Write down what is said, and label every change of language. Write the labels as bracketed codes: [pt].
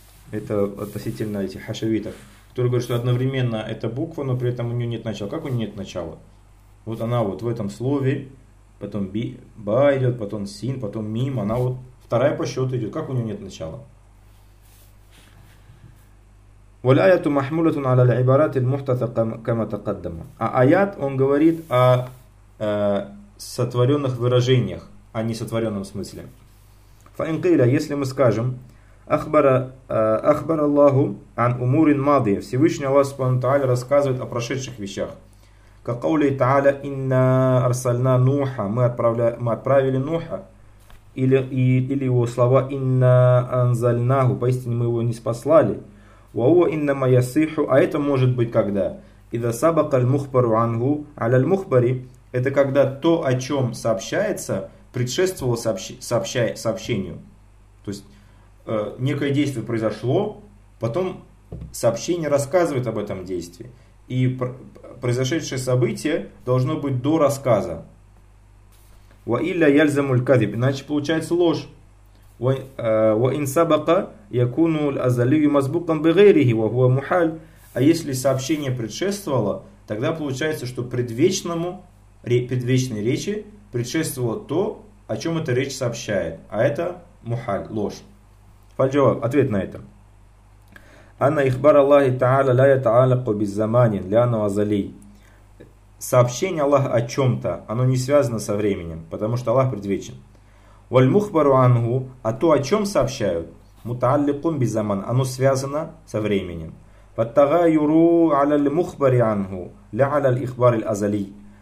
[ru] Это относительно этих хашавитов. Которые говорят, что одновременно это буква, но при этом у нее нет начала. Как у нее нет начала? Вот она вот в этом слове, потом ба идет, потом син, потом мим. Она вот вторая по счету идет. Как у нее нет начала? [ar] والآية محمولة على العبارات المحتثقة كما تقدم. [ru] Аят, он говорит о сотворенных выражениях, а не сотворенном смысле. [ar] فإن قيل, [ru] если мы скажем, [ar] أخبر الله عن أمور ماضية, [ru] Всевышний Аллах Субхану Тааля рассказывает о прошедших вещах. كقوله تعالى [ar] إن أرسلنا نوحا, [ru] мы отправили Нуха, или его слова [ar] إن أنزلناه, [ru] поистине мы его не спаслали. А это может быть когда? [ar] Ида сабака аль-мухбару ангу аля-мухбари. [ru] Это когда то, о чем сообщается, предшествовало сообщению. То есть некое действие произошло, потом сообщение рассказывает об этом действии. И произошедшее событие должно быть до рассказа. [ar] Ва илля яльзаму аль-кадиб. [ru] Иначе получается ложь. [ar] وإن سبق يكون الأزلي مسبوقا بغيره وهو محال. [ru] А если сообщение предшествовало, тогда получается, что предвечной речи предшествовало то, о чем эта речь сообщает, а это محال, ложь. Фальджава, ответ на это. [ar] أن إخبار الله تعالى لا يتعلق بالزمان لأنه أزلي. [ru] Сообщение Аллаха о чем-то, оно не связано со временем, потому что Аллах предвечен. [ar] Валь мухбару ангу, [ru] а то, о чем сообщают, [ar] мутааллику бизаман, [ru] оно связано со временем. [ar] Ваттагайуру аляль мухбари ангу, ля аляль ихбариль азали.